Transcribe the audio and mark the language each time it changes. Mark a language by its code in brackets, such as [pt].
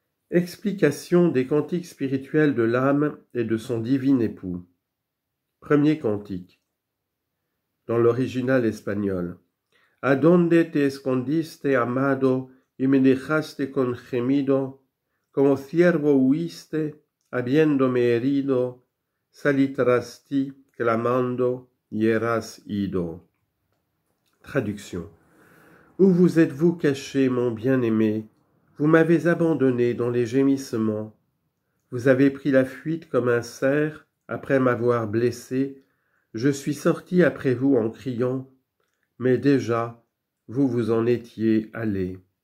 [fr] Explication des cantiques spirituels de l'âme et de son divin époux. Premier cantique. Dans l'original espagnol. [es] ¿A dónde te escondiste, amado, y me dejaste con gemido? Como ciervo huiste, habiéndome herido, salí tras ti, clamando, y eras ido. [fr] Traduction. Où vous êtes-vous caché, mon bien-aimé? Vous m'avez abandonné dans les gémissements. Vous avez pris la fuite comme un cerf, après m'avoir blessé. Je suis sorti après vous en criant, mais déjà, vous vous en étiez allé.